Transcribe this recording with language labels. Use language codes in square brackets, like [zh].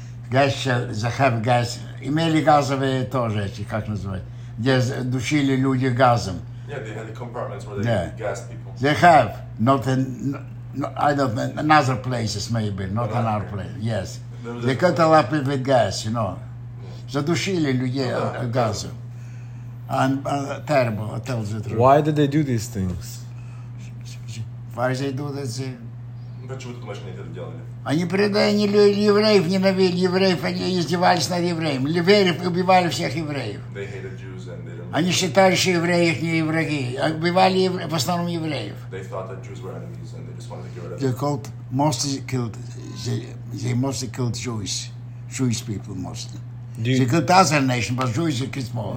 [ru] Гас, захав газ, имели газовые тоже эти, как называют, где душили люди газом. [en] Yeah, they had the compartments where they gassed people. They have, not in, I don't know, in other places maybe, not in our place, yes. They cut a lot of gas, you know. [ru] Задушили людей газом. [en] And terrible, I tell the truth. Why did they do these things? Why did they do this? [ru] Почему ты думаешь, они это делали? Они евреев ненавидели, евреев, они издевались над евреями. Евреев убивали всех евреев. [en] They hated Jews and they didn't... [ru] Они считали, что евреи их не враги. Убивали евреев, в основном евреев. [en] They thought that Jews were enemies and they just wanted to get rid of them. They mostly killed Jews. Jewish people mostly. They killed other nations, but Jews are killed more.